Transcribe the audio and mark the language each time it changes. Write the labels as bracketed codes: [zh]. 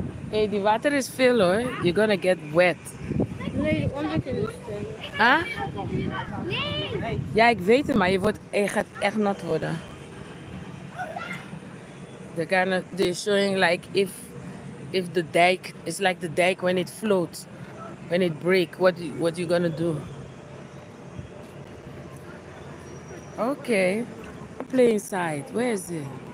[en] Hey, the water is full, [nl] hoor. [en] You're gonna get wet. [nl] Nee, onderkunde stem. Huh? Nee! Ja, ik weet het, maar je gaat echt nat worden. [en] The kind of, they're showing like if the dike, it's like the dike when it floats, when it breaks, what you gonna do? Okay, play inside. Where is it?